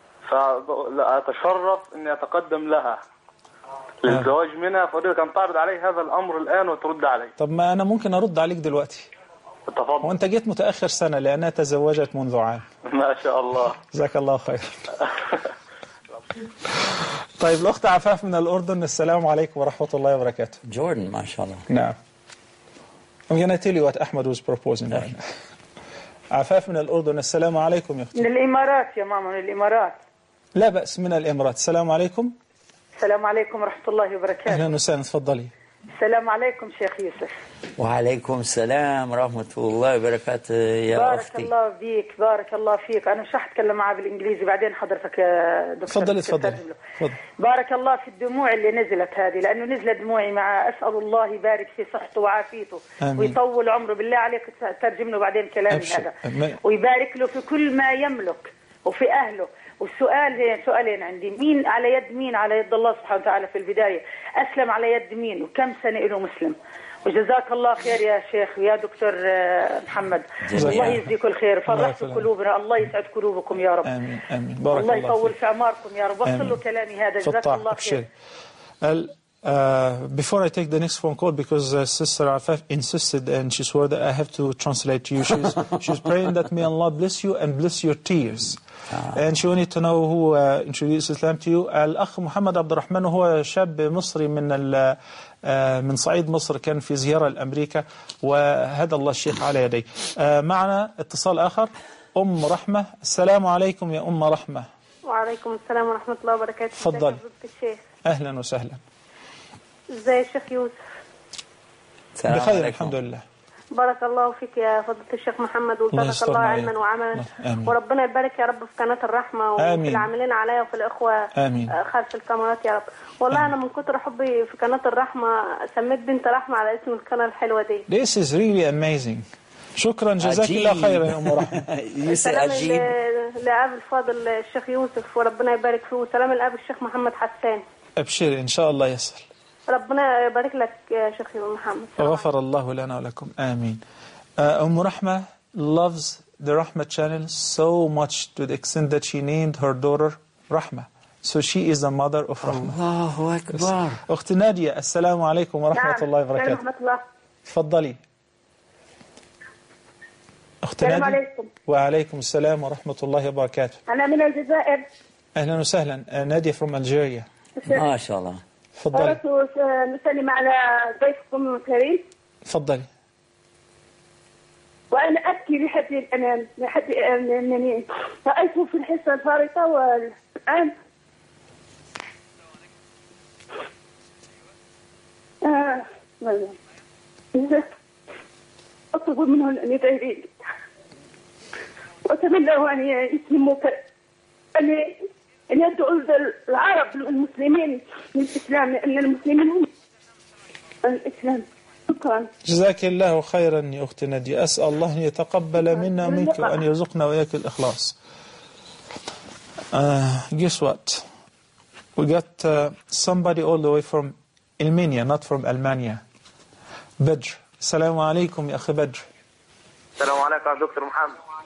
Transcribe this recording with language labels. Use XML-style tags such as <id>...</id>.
<ar>فأتشرف أني أتقدم لها للزواج منها فأريدك أن تعرض علي هذا الأمر الآن وترد علي. طب ما أنا ممكن أرد عليك دلوقتي. تفضل. وأنت جيت متأخر سنة لأنها تزوجت منذ عام. ما شاء الله. جزاك الله خير. طيب الأخت عفاف من الأردن السلام عليكم ورحمة الله وبركاته. جوردن ما شاء الله. نعم.</ar> <en>I'm going to tell you what Ahmed was proposing.</en> <ar>عفاف من الأردن السلام عليكم يا أختي. من الإمارات يا ماما من الإمارات. لا بأس من الإمارات السلام عليكم. السلام عليكم ورحمة الله وبركاته. أهلا وسهلا تفضلي. السلام عليكم شيخ يوسف. وعليكم السلام ورحمة الله وبركاته يا أختي. بارك الله فيك، بارك الله فيك. أنا مش راح أتكلم معاه بالإنجليزي، بعدين حضرتك دكتور. تفضلي تفضلي. بارك الله في الدموع اللي نزلت هذه، لأنه نزلت دموعي معه. أسأل الله يبارك في صحته وعافيته ويطول عمره، بالله عليك ترجم له بعدين كلامي هذا، ويبارك له في كل ما يملك وفي أهله. والسؤال هي سؤالين عندي، مين على يد مين؟ على يد الله سبحانه وتعالى في البداية. أسلم على يد مين؟ وكم سنة إله مسلم؟ وجزاك الله خير يا شيخ ويا دكتور محمد، الله يجزيك الخير، فرحت قلوبنا، الله يسعد قلوبكم يا رب. آمين آمين. بارك الله فيك، الله يطول في أعماركم يا رب. وصل له كلامي هذا، جزاك الله خير.</ar> <en>Before I take the next phone call, because Sister Afaf insisted and she swore that I have to translate to you, she's praying that may Allah bless you and bless your tears. And she wanted to know who introduced Islam to you. Al-Akh Muhammad Abdul Rahman, who is a young Muslim from</en> <ar>من صعيد مصر، كان في زيارة لأمريكا، وهدى الله الشيخ على يدي. معنا اتصال آخر. أم رحمة، السلام عليكم يا أم رحمة. وعليكم السلام ورحمة الله وبركاته. تفضل. أهلا وسهلا. ازاي الشيخ يوسف؟ سلام بخير عليكم. الحمد لله، بارك الله فيك يا فضلت الشيخ محمد، وبارك الله علما وعملا، وربنا يبارك يا رب في قناة الرحمة وفي العاملين عليا وفي الإخوة. آمين. خلف الكاميرات يا رب. والله أنا من كتر حبي في قناة الرحمة سميت بنت رحمة على اسم القناة الحلوة دي.</ar> <en>This is really amazing.</en> <ar>شكرا، جزاك الله خير يا أم رحمة. لأب الفاضل الشيخ يوسف وربنا يبارك فيه، وسلام لأب الشيخ محمد حسان. أبشر إن شاء الله يسر، ربنا يبارك لك يا شيخ محمد. غفر الله لنا ولكم، آمين.</ar> <en>أم رحمة loves the Rahma channel so much to the extent that she named her daughter Rahma. So she is the mother of Rahma.</en> <ar>الله أكبر. أختي نادية، السلام عليكم ورحمة الله وبركاته. تفضلي. أختي نادية. وعليكم السلام ورحمة الله وبركاته. أنا من الجزائر. أهلا وسهلا.</ar> <en>نادية from Algeria.</en> <ar>ما شاء الله. تفضلي. أردت نسلم على ضيفكم الكريم. تفضلي. وأنا أبكي لحدي الأنام لحدي أنني رأيته في الحصة الفارطة والآن. أطلب منه أن يدعي لي، وأتمنى أن يسلم أني أن يدعو العرب والمسلمين للإسلام، لأن المسلمين هم الإسلام. شكرا. جزاك الله خيرا يا أختي نادية، أسأل الله أن يتقبل منا ومنك وأن يرزقنا وإياك الإخلاص.</ar> <en>Guess what, we got somebody all the way from Armenia, not from Almania.</en> <ar>بدر، السلام عليكم يا أخي بدر. السلام عليكم دكتور محمد.</ar>